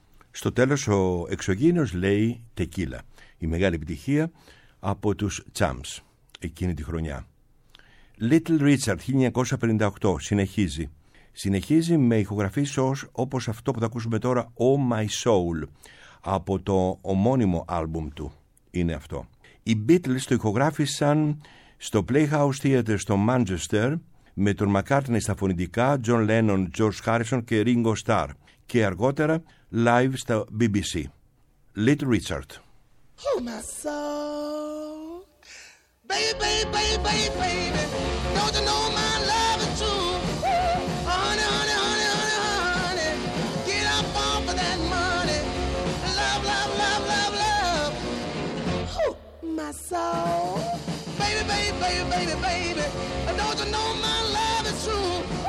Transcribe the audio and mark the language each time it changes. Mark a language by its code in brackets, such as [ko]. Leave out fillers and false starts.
[el] Στο τέλος ο εξωγήινος λέει «Τεκίλα», η μεγάλη επιτυχία από τους Chumps εκείνη τη χρονιά. Little Richard 1958 συνεχίζει. Συνεχίζει με ηχογραφήσεις όπως αυτό που θα ακούσουμε τώρα, «Oh My Soul», από το ομώνυμο άλμπουμ του είναι αυτό. Οι Beatles το ηχογράφησαν στο Playhouse Theatre στο Manchester με τον McCartney στα φωνητικά, John Lennon, George Harrison και Ringo Starr. Και αργότερα live στα BBC. Little Richard. [en] Oh my soul, baby, baby, baby, baby, don't you know my love is true? Honey, honey, honey, honey, honey, get up off of that money. Love, love, love, love, love. Oh my soul, baby, baby, baby, baby, baby, don't you know my love is true?